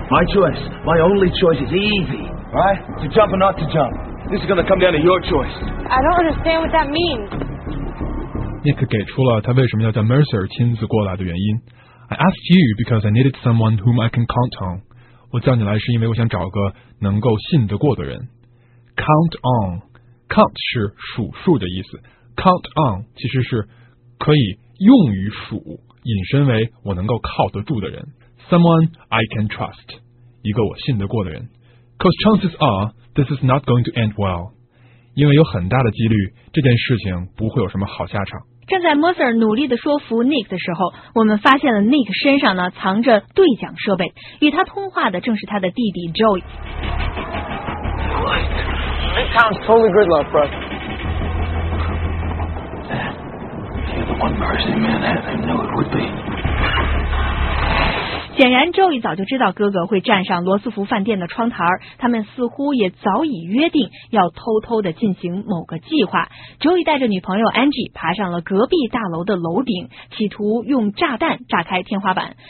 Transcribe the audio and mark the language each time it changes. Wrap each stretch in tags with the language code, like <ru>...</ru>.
<en>My choice. My only choice is easy. Right? To jump or not to jump. This is gonna come down to your choice. I don't understand what that means.</en> <zh>Nick 给出了他为什么要叫 Mercer 亲自过来的原因。</zh> <en>I asked you because I needed someone whom I can count on.</en> <zh>我叫你来是因为我想找个能够信得过的人。 Count on. Count 是数数的意思 ，count on 其实是可以用于数，引申为我能够靠得住的人 ，</zh> <en>someone I can trust，</en> <zh>一个我信得过的人。</zh> <en>Cause chances are this is not going to end well，</en> <zh>因为有很大的几率这件事情不会有什么好下场。正在 Mercer 努力的说服 Nick 的时候，我们发现了 Nick 身上呢藏着对讲设备，与他通话的正是他的弟弟 Joey。</zh> <en>This town's totally gridlocked, bro. You're the one person in Manhattan I knew it would be.</en> <zh>显然 Joey 早就知道哥哥会站上罗斯福饭店的窗台，他们似乎也早已约定要偷偷的进行某个计划。 Joey 带着女朋友 Angie 爬上了隔壁大楼的楼顶，企图用炸弹炸开天花板。</zh>